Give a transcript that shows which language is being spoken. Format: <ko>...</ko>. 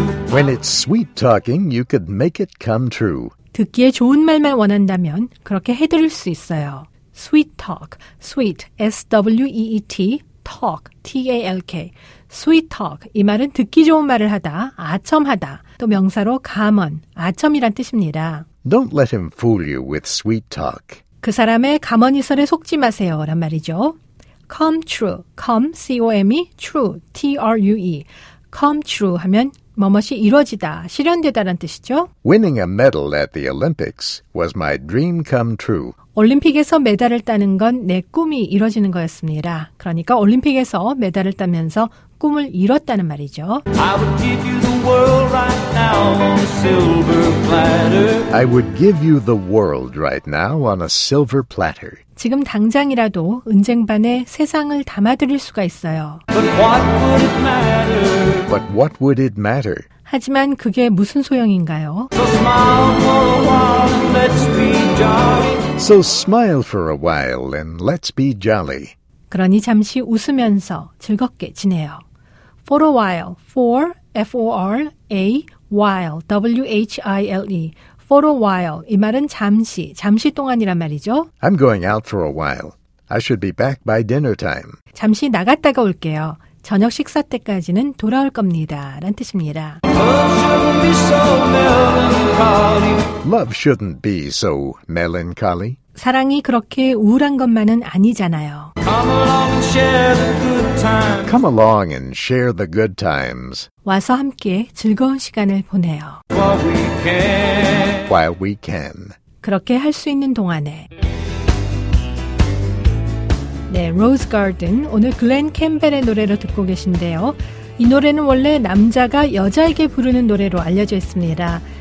<en>When it's sweet talking, you could make it come true.</en> <ko>듣기에 좋은 말만 원한다면 그렇게 해드릴 수 있어요.</ko> <en>Sweet talk, sweet, S-W-E-E-T, talk, T-A-L-K.</en> <ko>Sweet talk, 이 말은 듣기 좋은 말을 하다, 아첨하다, 또 명사로 감언, 아첨이란 뜻입니다.</ko> <en>Don't let him fool you with sweet talk.</en> <ko>그 사람의 감언이설에 속지 마세요, 란 말이죠.</ko> <en>Come true, come, C-O-M-E, true, T-R-U-E.</en> <ko>Come true 하면 뭐뭇이 이루어지다, 실현되다란 뜻이죠.</ko> <en>Winning a medal at the Olympics was my dream come true.</en> <ko>올림픽에서 메달을 따는 건 내 꿈이 이뤄지는 거였습니다. 그러니까 올림픽에서 메달을 따면서 꿈을 이뤘다는 말이죠.</ko> <en>I would give you the world right now on a silver platter. I would give you the world right now on a silver platter.</en> <ko>지금 당장이라도 은쟁반에 세상을 담아드릴 수가 있어요.</ko> <en>But what would it matter? But what would it matter?</en> <ko>하지만 그게 무슨 소용인가요?</ko> <en>So smile for a while and let's be jolly. So smile for a while and let's be jolly.</en> <ko>그러니 잠시 웃으면서 즐겁게 지내요.</ko> <en>For a while, for, F-O-R, A, while, W-H-I-L-E.</en> <ko>For a while, 이 말은 잠시, 잠시 동안이란 말이죠.</ko> <en>I'm going out for a while. I should be back by dinner time.</en> <ko>잠시 나갔다가 올게요. 저녁 식사 때까지는 돌아올 겁니다. 라는 뜻입니다.</ko> <en>Love shouldn't be so melancholy.</en> <ko>사랑이 그렇게 우울한 것만은 아니잖아요.</ko> <en>Come along and share the good times. Come along and share the good times.</en> <ko>와서 함께 즐거운 시간을 보내요.</ko> <en>While we can. While we can.</en> <ko>그렇게 할 수 있는 동안에. 네, Rose Garden. 오늘 글렌 캠벨의 노래로 듣고 계신데요. 이 노래는 원래 남자가 여자에게 부르는 노래로 알려져 있습니다.</ko>